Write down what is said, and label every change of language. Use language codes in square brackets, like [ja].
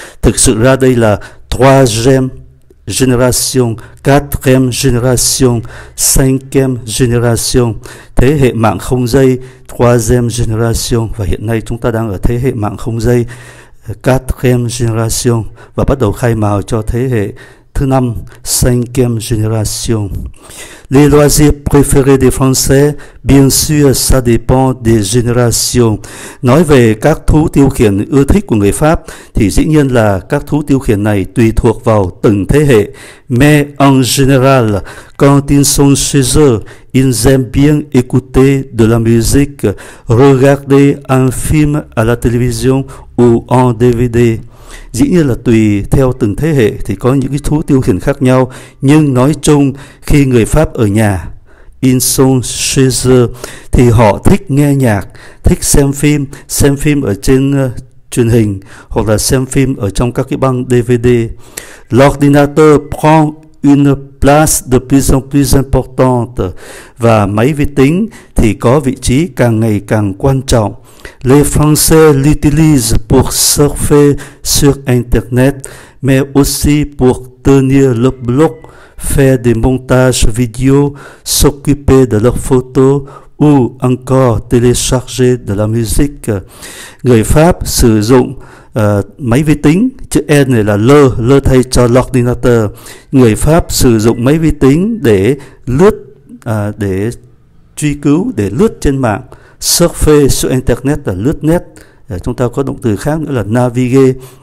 [vi] Thực sự ra đây là 3e génération, 4e génération, 5e génération, thế hệ mạng không dây 3e génération. Và hiện nay chúng ta đang ở thế hệ mạng không dây 4e génération và bắt đầu khai mào cho thế hệ thứ năm, 5e génération. [fr] Les loisirs préférés des Français, bien sûr, ça dépend des générations. [vi] Nói về các thú tiêu khiển ưa thích của người Pháp, thì dĩ nhiên là các thú tiêu khiển này tùy thuộc vào từng thế hệ. [fr] Mais en général, quand ils sont chez eux, ils aiment bien écouter de la musique, regarder un film à la télévision ou en DVD. [vi] Dĩ nhiên là tùy theo từng thế hệ thì có những cái thú tiêu khiển khác nhau, nhưng nói chung khi người Pháp ở nhà, in son chez eux, thì họ thích nghe nhạc, thích xem phim ở trên truyền hình hoặc là xem phim ở trong các cái băng DVD. [fr] L'ordinateur prend une place de plus en plus importante. [vi] Và máy vi tính thì có vị trí càng ngày càng quan trọng. [fr] Les Français l'utilisent pour surfer sur Internet, mais aussi pour tenir le blog, faire des montages vidéo, s'occuper de leurs photos ou encore télécharger de la musique. [vi] Người Pháp sử dụng máy vi tính, chữ N này là le thay cho l'ordinateur. Người Pháp sử dụng máy vi tính để lướt, để truy cứu, để lướt trên mạng. [fr] Surfer sur Internet [vi] là lướt net. Chúng ta có động từ khác nữa là navigate.